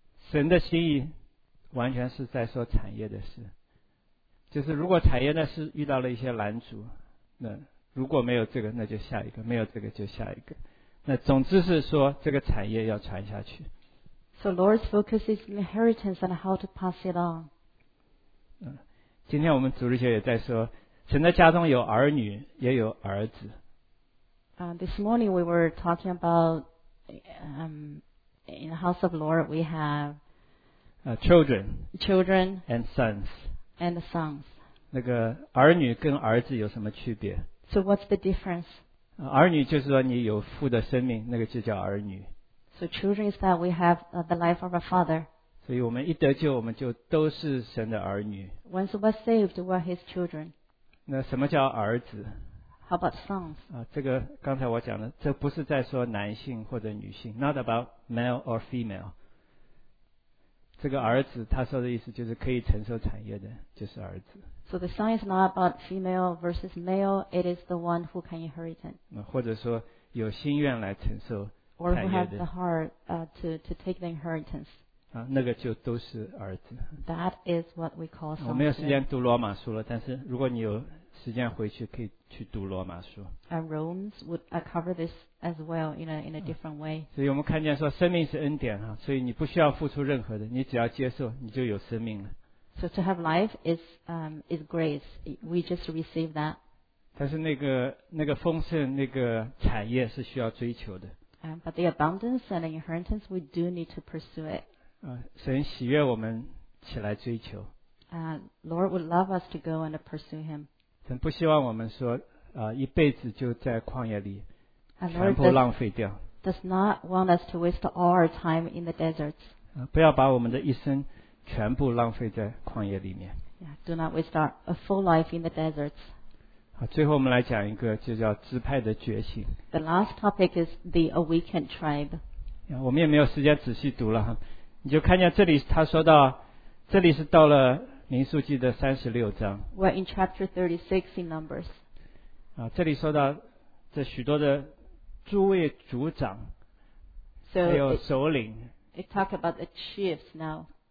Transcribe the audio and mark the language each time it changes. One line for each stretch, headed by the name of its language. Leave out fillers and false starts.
Chinese: 神的心意完全是在说产业的事，就是如果产业的事遇到了一些拦阻。那如果没有这个，那就下一个；没有这个，就下一个。那总之是说，这个产业要传下去。
English: So Lord's focus is inheritance and how to pass it on.
Chinese: 今天我们主日学也在说，神的家中有儿女，也有儿子。
English: This morning we were talking about, in the house of Lord we have, children and sons.
Chinese: 那个儿女跟儿子有什么区别
English: ？So what's the difference？
Chinese: 儿女就是说你有父的生命，那个就叫儿女。
English: So children is that we have the life of a father。
Chinese: 所以我们一得救，我们就都是神的儿女。
English: Once we're saved, we're His children。
Chinese: 那什么叫儿子
English: ？How about sons？
Chinese: 这个刚才我讲了，这不是在说男性或者女性 ，
English: not about male or female。
Chinese: 这个儿子他说的意思就是可以承受产业的就是儿子。
English: So the son is not about female versus male, it is the one who can inherit it.
Chinese: 或者说有心愿来承受产业的。
English: Or who has the heart, to take the inheritance.
Chinese: 啊，那个就都是儿子。
English: That is what we call son.
Chinese: 我没有时间读罗马书了，但是如果你有时间回去可以去读罗马书。
English: And Romans would cover this as well in a different way.
Chinese: 所以我们看见说生命是恩典啊，所以你不需要付出任何的，你只要接受你就有生命了。
English: So to have life is grace. We just receive that.
Chinese: 但是那个丰盛那个产业是需要追求的。
English: But the abundance and the inheritance, we do need to pursue it.
Chinese: 神喜悦我们起来追求。
English: Lord would love us to go and pursue Him.
Chinese: 神不希望我们说一辈子就在旷野里全部浪费掉。
English: Does not want us to waste all our time in the deserts.
Chinese: 不要把我们的一生全部浪费在旷野里面。
English: Yeah, do not waste a full life in the deserts.
Chinese: 好，最后我们来讲一个就叫支派的觉醒。
English: The last topic is the awakened tribe.
Chinese: 我们也没有时间仔细读了哈，你就看见这里他说到，这里是到了民数记的36章。
English: We're in chapter 36 in Numbers.
Chinese: 这里说到这许多的诸位族长，还有首领。
English: It talk about the chiefs now.